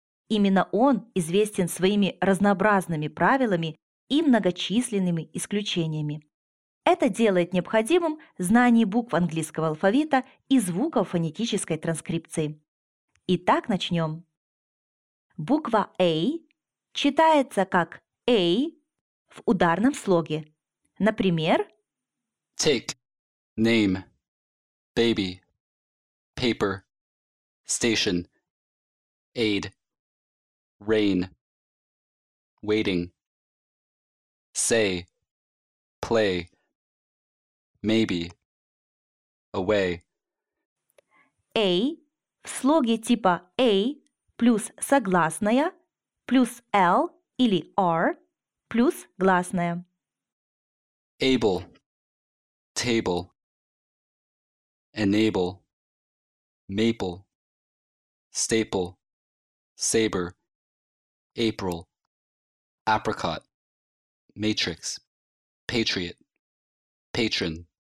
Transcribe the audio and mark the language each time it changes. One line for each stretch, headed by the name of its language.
Russian: Именно он известен своими разнообразными правилами и многочисленными исключениями. Это делает необходимым знание букв английского алфавита и звуков фонетической транскрипции. Итак, начнем. Буква A читается как A в ударном слоге. Например,
English: take, name, baby, paper, station, aid, rain, waiting, say, play. Maybe. Away.
Russian: A в слоге типа A плюс согласная плюс L или R плюс гласная.
English: Able. Table. Enable. Maple. Staple. Saber. April. Apricot. Matrix. Patriot. Patron.